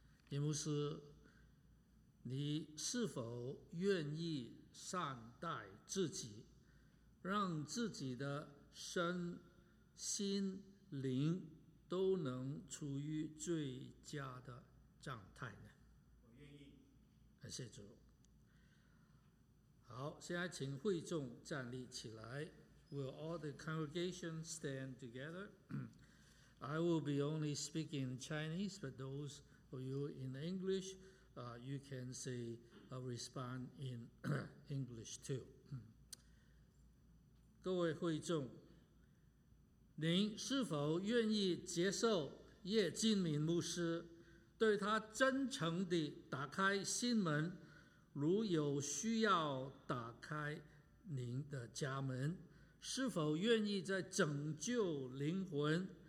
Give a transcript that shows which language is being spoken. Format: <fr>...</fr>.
<zh>耶牧师，你是否愿意善待自己，让自己的身心灵都能处于最佳的状态呢？我愿意。感谢主。好，现在请会众站立起来。</zh> <en>Will all the congregation stand together? I will be only speaking Chinese, but those of you in English, you can say respond in English too.</en> <zh>各位会众，您是否愿意接受叶进民牧师对他真诚地打开心门，如有需要打开您的家门，是否愿意在拯救灵魂、</zh>